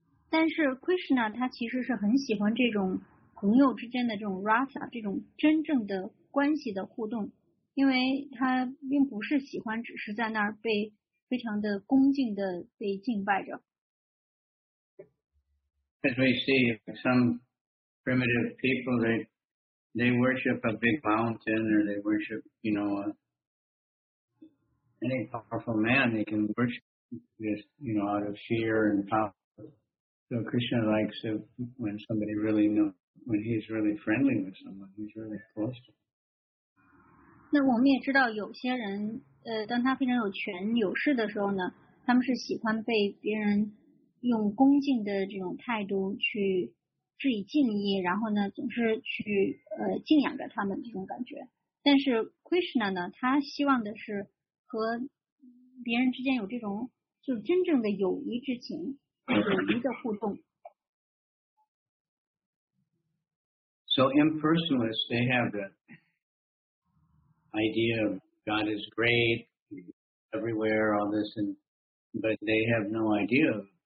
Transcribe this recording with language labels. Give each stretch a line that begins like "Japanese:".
Chinese: 但是 Krishna 他其实是很喜欢这种朋友之间的这种 rasa, 这种真正的关系的互动，因为他并不是喜欢只是在那儿被非常的恭敬的被敬拜着。
English: As we see some primitive people, they worship a big mountain or they worship, you know, any powerful man. They can worship this, you know, out of fear and power. So Krishna likes it when somebody really knows, when he's really friendly with someone, he's really close to them.
Chinese: 那我们也知道，有些人，当他非常有权有势的时候呢，他们是喜欢被别人用恭敬的这种态度去致以敬意，然后呢，总是去敬仰着他们这种感觉。但是 Krishna 呢，他希望的是和别人之间有这种就真正的友谊之情，友谊的互动。
English: So impersonalists, they have the idea of God is great, everywhere, all this, but they have no idea of